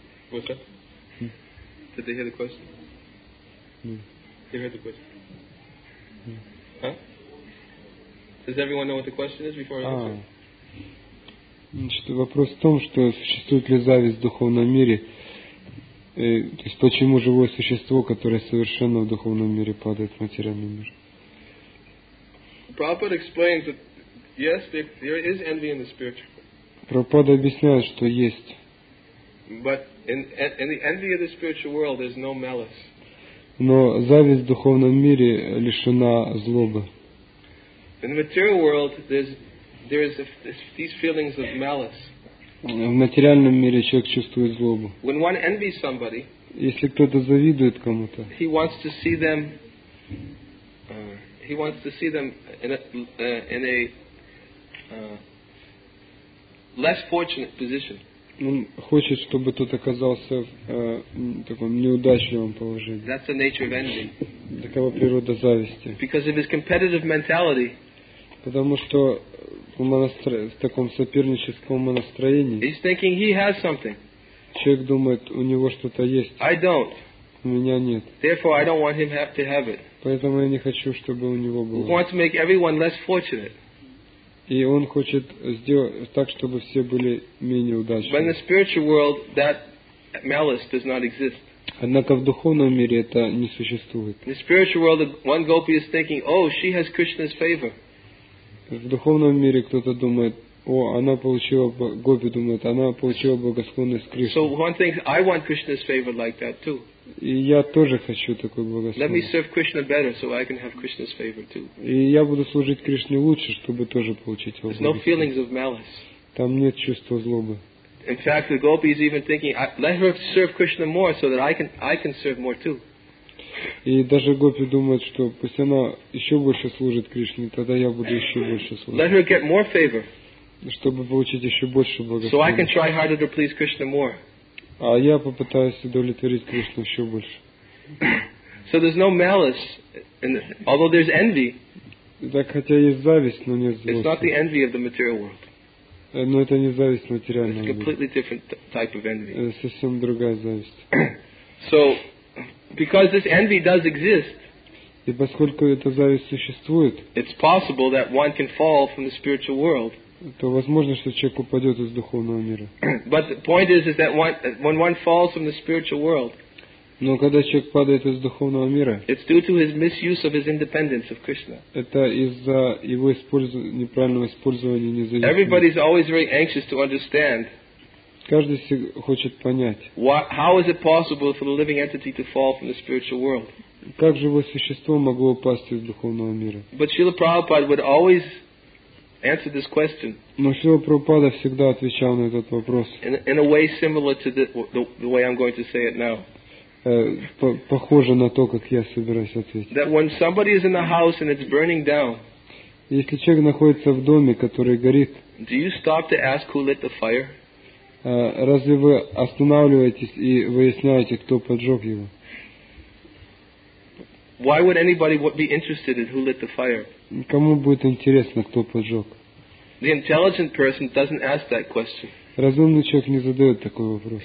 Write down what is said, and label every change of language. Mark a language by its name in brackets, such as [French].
[English] What's that? Did they hear the question? They heard the question. Does everyone know what the question is before I answer? [Russian] Вопрос в том, что существует ли зависть в духовном мире. То есть почему живое существо, которое совершенно в духовном мире, падает в материальный мир? [English] Prabhupada explains that yes, there is envy in the spiritual world. [Russian] Prabhupada объясняет, что есть. [English] But in the envy of the spiritual world, there's no malice. [Russian] Но зависть в духовном мире лишена злобы. [English] In the material world, there's these feelings of malice. [Russian] В материальном мире человек чувствует злобу. [English] When one envies somebody, [Russian] если кто-то завидует кому-то, [English] he wants to see them. He wants to see them in a less fortunate position. [Russian] Он хочет, чтобы тот оказался в таком неудачливом положении. [English] That's the nature of envy. [Russian] Такова природа зависти. [English] Because of his competitive mentality. [Russian] Потому что в таком соперническом настроении. [English] He's thinking he has something. [Russian] Человек думает, у него что-то есть. [English] I don't. [Russian] У меня нет. [English] Therefore, I don't want him to have it. [Russian] Поэтому я не хочу, чтобы у него было. [English] He wants to make everyone less fortunate. [Russian] И он хочет сделать так, чтобы все были менее удачными. [English] But in the spiritual world, that malice does not exist. [Russian] Однако в духовном мире это не существует. [English] In the spiritual world, one gopi is thinking, "Oh, she has Krishna's favor." [Russian] В духовном мире кто-то думает, "О, она получила гопи думает, она получила благосклонность Кришны." [English] So one thinks, "I want Krishna's favor like that too." [Russian] И я тоже хочу такой благословение. [English] Let me serve Krishna better so I can have Krishna's favor too. [Russian] И я буду служить Кришне лучше, чтобы тоже получить его благословение. [English] There's no feelings of malice. [Russian] Там нет чувства злобы. [English] In fact, the gopi is even thinking, let her serve Krishna more so that I can serve more too. [Russian] И даже гопи думает, что пусть она еще больше служит Кришне, тогда я буду еще больше служить. [English] Let her get more favor. [Russian] Чтобы получить еще больше благословения. [English] So I can try harder to please Krishna more. [Russian] А я попытаюсь удовлетворить Кришну еще больше. [English] So there's no malice, although there's envy. [Russian] Так хотя есть зависть, но нет злости. [English] It's not the envy of the material world. [Russian] Но это не зависть материальная. [English] It's a completely different type of envy. [Russian] Это совсем другая зависть. [English] So, because this envy does exist. [Russian] И поскольку эта зависть существует. [English] It's possible that one can fall from the spiritual world. [Russian] То возможно, что человек упадет из духовного мира. [English] But the point is that when one falls from the spiritual world, [Russian] но когда человек падает из духовного мира, [English] it's due to his misuse of his independence of Krishna. [Russian] Это из-за его неправильного использования независимости. [English] Everybody is always very anxious to understand. [Russian] Каждый хочет понять. [English] How is it possible for the living entity to fall from the spiritual world? [Russian] Как живое существо могло упасть из духовного мира? [English] But Srila Prabhupada would always answer this question. [Russian] Но Шрила Прабхупада всегда отвечал на этот вопрос. [English] In a way similar to the way I'm going to say it now. [Russian] Похоже на то, как я собираюсь ответить. [English] That when somebody is in the house and it's burning down. [Russian] Если человек находится в доме, который горит. [English] Do you stop to ask who lit the fire? [Russian] Разве вы останавливаетесь и выясняете, кто поджег его? [English] Why would anybody be interested in who lit the fire? [Russian] Кому будет интересно, кто поджег? [English] The intelligent person doesn't ask that question. [Russian] Разумный человек не задает такой вопрос.